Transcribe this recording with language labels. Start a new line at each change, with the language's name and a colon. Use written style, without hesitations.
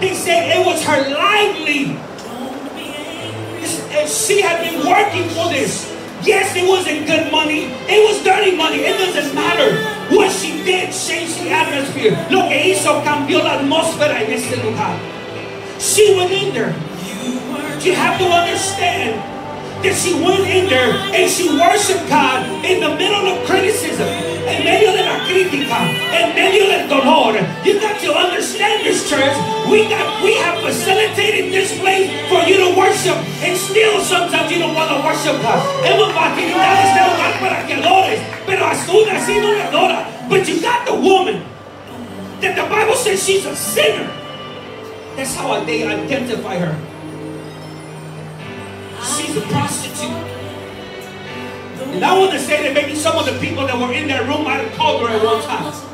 English: They said it was her livelihood. She had been working for this. Yes, it wasn't good money. It was dirty money. It doesn't matter. What she did changed the atmosphere.
Spanish: Lo que hizo cambió la atmósfera en este lugar.
English: She went in there. You have to understand that she went in there and she worshiped God in the middle of criticism,
Spanish: en medio de la crítica, en medio del dolor.
English: You got to understand this, church. We have facilitated this place for you to worship, and still sometimes you don't want to worship God.
Spanish: Hemos facilitado este lugar para que adores, pero aún así no le adora.
English: But you got the woman that the Bible says she's a sinner. That's how they identify her. She's a prostitute. And I want to say that maybe some of the people that were in that room might have called her at one time.